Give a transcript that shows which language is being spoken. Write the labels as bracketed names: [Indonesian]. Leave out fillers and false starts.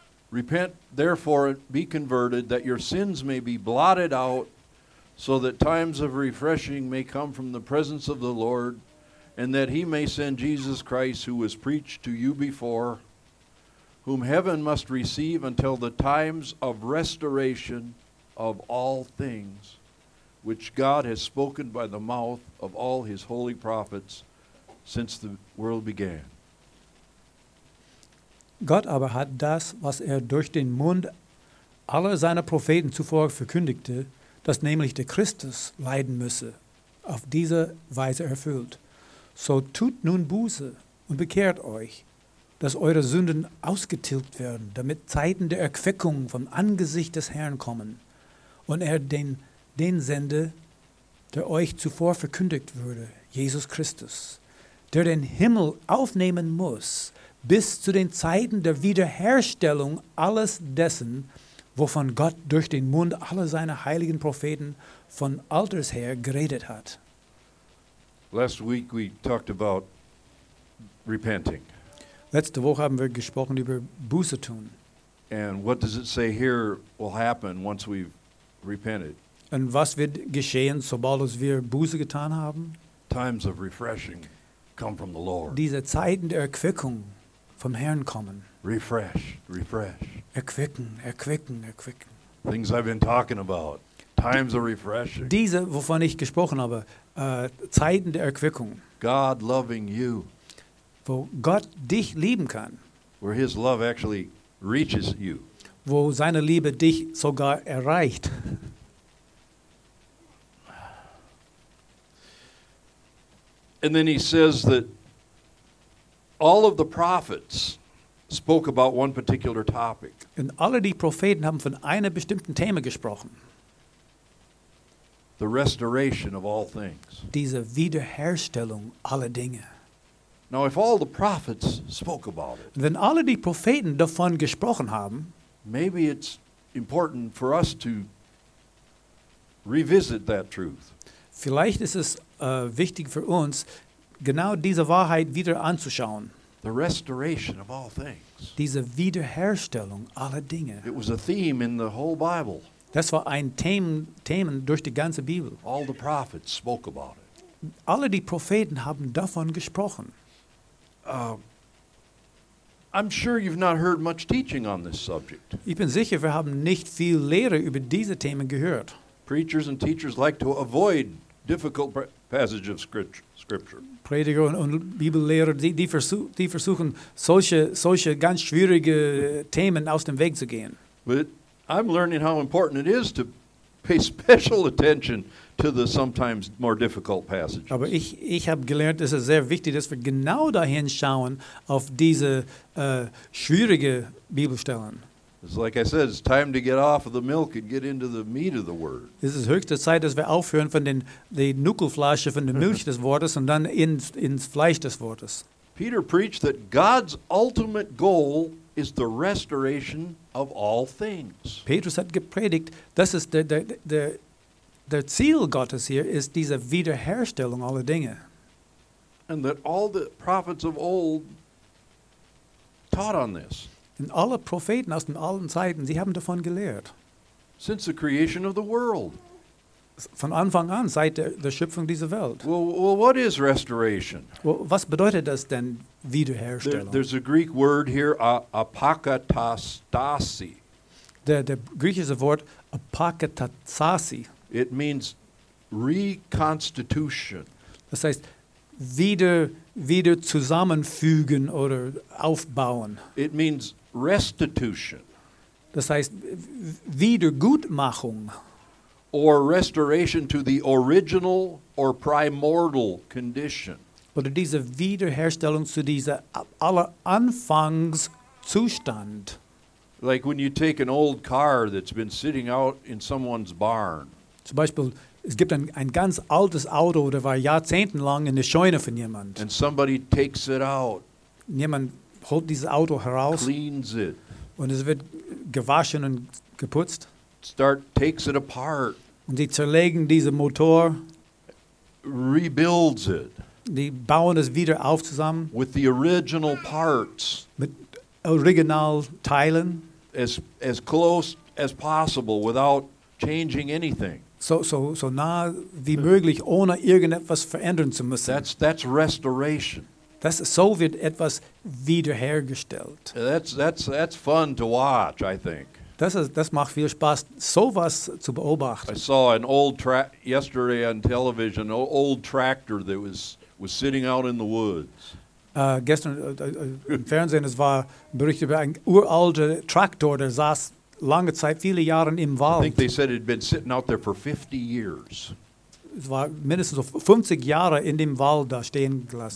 [English] Repent, therefore, be converted, that your sins may be blotted out, so that times of refreshing may come from the presence of the Lord, and that he may send Jesus Christ, who was preached to you before, whom heaven must receive until the times of restoration of all things, which God has spoken by the mouth of all his holy prophets since the world began. [German] Gott aber hat das, was durch den Mund aller seiner Propheten zuvor verkündigte, dass nämlich der Christus leiden müsse, auf diese Weise erfüllt. So tut nun Buße und bekehrt euch, dass eure Sünden ausgetilgt werden, damit Zeiten der Erquickung vom Angesicht des Herrn kommen und er den sende, der euch zuvor verkündigt wurde, Jesus Christus, der den Himmel aufnehmen muss, bis zu den Zeiten der Wiederherstellung alles dessen, wovon Gott durch den Mund aller seiner heiligen Propheten von alters her geredet hat. [English] Last week we talked about repenting. [German] Letzte Woche haben wir gesprochen über Buße tun. [English] And what does it say here will happen once we've repented? [German] Und was wird geschehen, sobald wir Buße getan haben? [English] Times of refreshing come from the Lord. [German] Diese Zeiten der Erquickung vom Herrn kommen. [English] Refresh. [German] Erquicken. [English] Things I've been talking about. Times of refreshing. [German] Diese, wovon ich gesprochen habe, Zeiten der Erquickung. [English] God loving you. [German] Wo Gott dich lieben kann. [English] Where his love actually reaches you. [German] Wo seine Liebe dich sogar erreicht. [English] And then he says that all of the prophets spoke about one particular topic. [German] Und alle die Propheten haben von einem bestimmten Thema gesprochen. [English] The restoration of all things. [German] Diese Wiederherstellung aller Dinge. [English] Now, if all the prophets spoke about it, [German] wenn alle die Propheten davon gesprochen haben, [English] maybe it's important for us to revisit that truth. [German] Vielleicht ist es wichtig für uns, genau diese Wahrheit wieder anzuschauen. [English] The restoration of all things. [German] Diese Wiederherstellung aller Dinge. [English] It was a theme in the whole Bible. [German] Das war ein Thema durch die ganze Bibel. [English] All the prophets spoke about it. [German] Alle die Propheten haben davon gesprochen. [English] I'm sure you've not heard much teaching on this subject. [German] Ich bin sicher, wir haben nicht viel Lehre über diese Themen gehört. [English] Preachers and teachers like to avoid difficult passages of scripture. [German] Prediger und Bibellehrer, die versuchen solche ganz schwierige Themen aus dem Weg zu gehen. [English] But I'm learning how important it is to pay special attention to the sometimes more difficult passages. [German] Aber ich habe gelernt, dass es sehr wichtig ist, dass wir genau dahin schauen auf diese schwierige Bibelstellen. [English] It's like I said, it's time to get off of the milk and get into the meat of the word. [German] Es ist höchste Zeit, dass wir aufhören von der Nuckelflasche von der Milch des Wortes und dann ins Fleisch des Wortes. [English] Peter preached that God's ultimate goal is the restoration of all things. [German] Petrus hat gepredigt, dass es der Ziel Gottes hier ist, diese Wiederherstellung aller Dinge. [English] And that all the prophets of old taught on this. [German] Und alle Propheten aus den alten Zeiten, sie haben davon gelehrt. [English] Since the creation of the world. [German] Von Anfang an, seit der Schöpfung dieser Welt. [English] Well, what is restoration? [German] Well, was bedeutet das denn, Wiederherstellung? [English] There's a Greek word here, apokatastasi. [German] Der griechische Wort apokatastasi. [English] It means reconstitution. [German] Das heißt, wieder zusammenfügen oder aufbauen. [English] It means restitution. [German] Das heißt, Wiedergutmachung. [English] Or restoration to the original or primordial condition. [German] Oder diese Wiederherstellung zu dieser aller Anfangszustand. [English] Like when you take an old car that's been sitting out in someone's barn. [German] Zum Beispiel, es gibt ein ganz altes Auto, der war jahrzehntelang in der Scheune von jemand. [English] And somebody takes it out. [German] Jemand holt dieses Auto heraus. [English] Cleans it. [German] Und es wird gewaschen und geputzt. [English] Takes it apart. [German] Und sie zerlegen diesen Motor. [English] Rebuilds it. [German] Die bauen es wieder auf zusammen. [English] With the original parts. [German] Mit original Teilen. [English] As close as possible without changing anything. [German] So nah wie möglich, ohne irgendetwas verändern zu müssen. [English] That's restoration. [German] Das so wird etwas wiederhergestellt. [English] That's fun to watch, I think. [German] Das macht viel Spaß, sowas zu beobachten. [English] I saw an old yesterday on television, an old tractor that was sitting out in the woods. [German] Gestern im Fernsehen, es war berichtet über ein uralter Traktor, der saß lange Zeit, viele Jahre im Wald. [English] I think they said it had been sitting out there for 50 years. [German] Es war mindestens 50 Jahre in dem Wald da stehen gelassen.